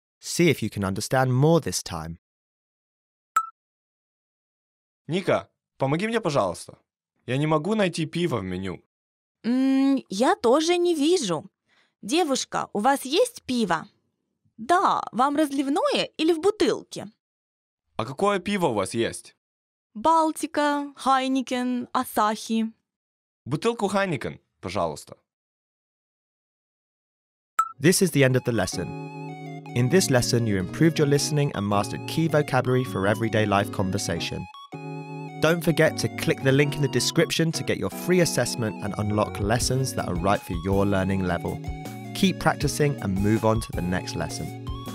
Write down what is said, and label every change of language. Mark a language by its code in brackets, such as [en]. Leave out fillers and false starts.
[en] See if you can understand more this time. [ru] Ника, помоги мне, пожалуйста. Я не могу найти пиво в меню. Я тоже не вижу. Девушка, у вас есть пиво? Да, вам разливное или в бутылке? А какое пиво у вас есть? Балтика, Хайникен, Асахи. Бутылку Хайникен, пожалуйста. [en] This is the end of the lesson. In this lesson, you improved your listening and mastered key vocabulary for everyday life conversation. Don't forget to click the link in the description to get your free assessment and unlock lessons that are right for your learning level. Keep practicing and move on to the next lesson.